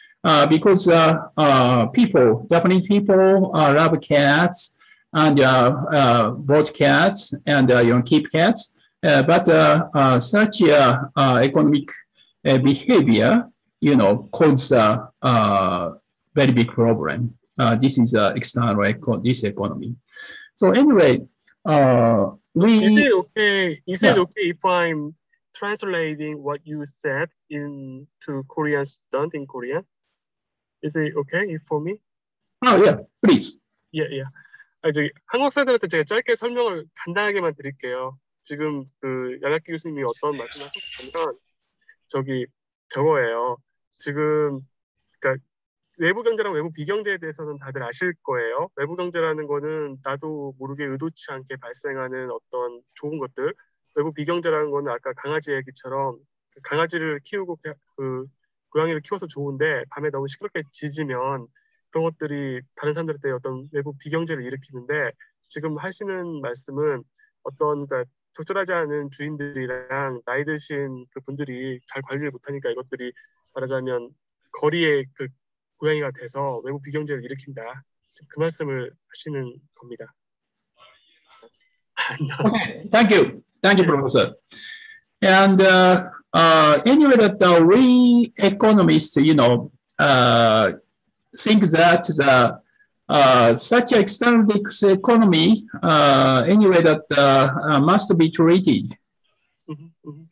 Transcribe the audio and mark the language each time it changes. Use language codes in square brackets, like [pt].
[en] Because people, Japanese people, love cats and bought cats and you know, keep cats, but such economic behavior, you know, causes a very big problem. This is an external this economy. So anyway, is it okay if I'm translating what you said into Korean student in Korea? Is it okay for me? Oh, yeah, please. [ko] Yeah. 저기 한국 사람들한테 제가 짧게 설명을 간단하게만 드릴게요. 지금 그 야자키 교수님이 어떤 말씀을 하셨냐면 저기 저거예요. 지금 그러니까 외부 경제랑 외부 비경제에 대해서는 다들 아실 거예요. 외부 경제라는 거는 나도 모르게 의도치 않게 발생하는 어떤 좋은 것들. 외부 비경제라는 거는 아까 강아지 얘기처럼 강아지를 키우고 그 고양이를 키워서 좋은데 밤에 너무 시끄럽게 짖으면 그런 것들이 다른 사람들한테 어떤 외부 비경제를 일으키는데 지금 하시는 말씀은 어떤 그러니까 적절하지 않은 주인들이랑 나이 드신 그 분들이 잘 관리를 못하니까 이것들이 말하자면 거리에 그 고양이가 돼서 외부 비경제를 일으킨다. 그 말씀을 하시는 겁니다. [en] Okay. Thank you. Thank you, Professor. And anyway, that we economists, you know, think that the such external economy, anyway, that must be treated. Mm-hmm.